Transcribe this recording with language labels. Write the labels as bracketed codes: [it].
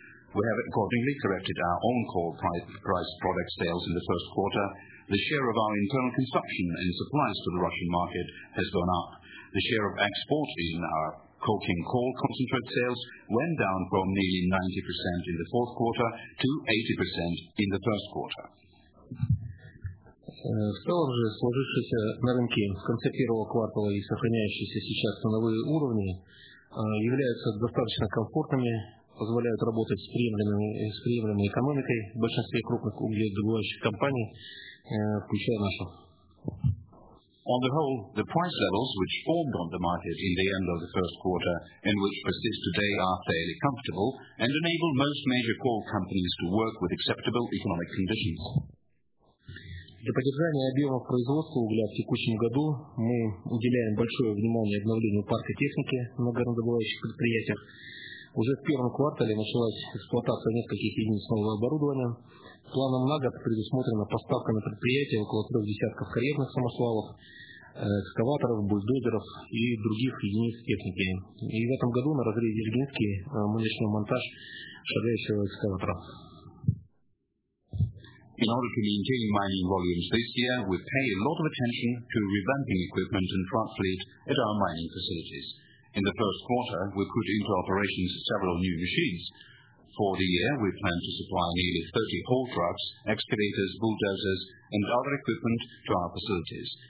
[en] We have accordingly corrected our own coal price product sales in the first quarter. The share of our internal consumption and supplies to the Russian market has gone up. The share of export in our coking coal concentrate sales went down from nearly 90% in the fourth quarter to 80% in the first quarter. [ru] В целом же сложившиеся на рынке в конце первого квартала и сохраняющиеся сейчас ценовые уровни являются достаточно комфортными, позволяют работать с приемлемой экономикой в большинстве крупных угледобывающих компаний, включая нашу. [en] On the whole, the price levels which formed on the market in the end of the first quarter and which persist today are fairly comfortable and enable most major coal companies to work with acceptable economic conditions. [ru] Для поддержания объемов производства угля в текущем году мы уделяем большое внимание обновлению парка техники на горнодобывающих предприятиях. Уже в первом квартале началась эксплуатация нескольких единиц нового оборудования. Планом на год предусмотрена поставка на предприятие около 3 десятков карьерных самосвалов, экскаваторов, бульдозеров и других единиц техники. И в этом году на разрезе Ильинский мы начнем монтаж шагающего экскаватора. [en] In order to maintain mining volumes this year, we pay a lot of attention to revamping equipment and truck fleet at our mining facilities. In the first quarter, we put into operation several new machines. For the year, we plan to supply nearly 30 haul trucks, excavators, bulldozers, and other equipment to our facilities.